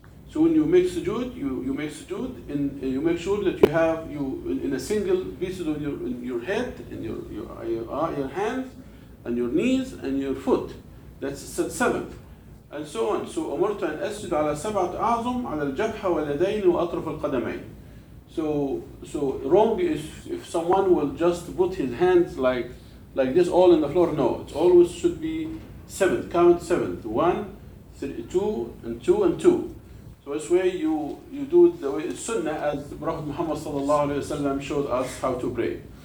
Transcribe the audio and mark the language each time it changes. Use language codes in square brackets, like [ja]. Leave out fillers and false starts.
[en] So when you make sujood, you make sujood, and you make sure that you have you in a single piece of your head, in your hands, and your knees, and your foot. That's seventh, and so on. [ar] So أمرت أن أسجد على سبعة أعظم على الجبهة واليدين وأطرف القدمين. [en] So wrong is if someone will just put his hands like this all in the floor. No, it always should be seventh. Count seventh. One, three, two, and two, and two. This way you do it the way the sunnah, as the Prophet Muhammad sallallahu alaihi wasallam showed us how to pray.